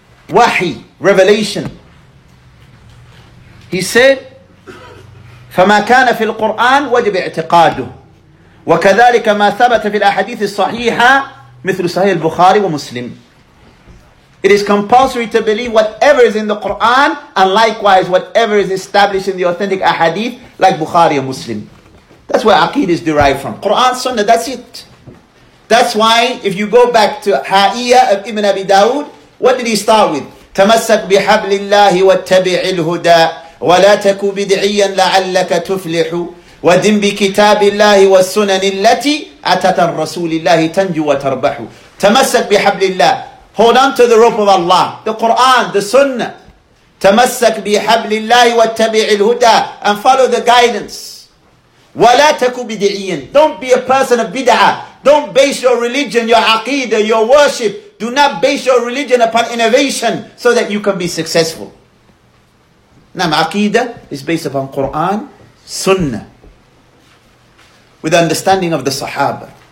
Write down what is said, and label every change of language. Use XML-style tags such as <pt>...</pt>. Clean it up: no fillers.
<en>Wahi, revelation. He said,</en> <ar>فَمَا كَانَ فِي الْقُرْآنِ وَجِبِ اِعْتِقَادُهُ وَكَذَلِكَ مَا ثَبَتَ فِي الْأَحَدِيثِ الصَّحِيحَةِ مِثْلُ صَحِيحِ الْبُخَارِ وَمُسْلِمِ</ar> <en>It is compulsory to believe whatever is in the Qur'an and likewise whatever is established in the authentic ahadith like Bukhari and Muslim. That's where aqeed is derived from. Qur'an, Sunnah, that's it. That's why if you go back to Ha'iyah of Ibn Abi Dawud, what did he start with?</en> <ar>تَمَسَّكْ بِحَبْلِ اللَّهِ وَاتَّبِعِ الْهُدَىٰ وَلَا تَكُ بِدْعِيًّا لَعَلَّكَ تُفْلِحُ وَدِمْ بِكِتَابِ اللَّهِ وَالسُّنَنِ الَّتِي أَتَتَ الرَّسُولِ اللَّهِ تَنْجُ وَتَرْبَحُ تَمَسَّكْ بِحَبْلِ اللَّهِ</ar> <en>Hold on to the rope of Allah, the Quran, the Sunnah.</en> <ar>تَمَسَّكْ بِحَبْلِ اللَّهِ وَاتَّبِعِ الْهُدَىٰ</ar> <en>And follow the guidance.</en> <ar>وَلَا تَكُ بِدْعِيًّا</ar> <en>Don't be a person of bid'ah. Don't base your religion, your aqeedah, your worship. Do not base your religion upon innovation so that you can be successful. Naam, aqeedah is based upon Qur'an, Sunnah, with understanding of the Sahaba.</en>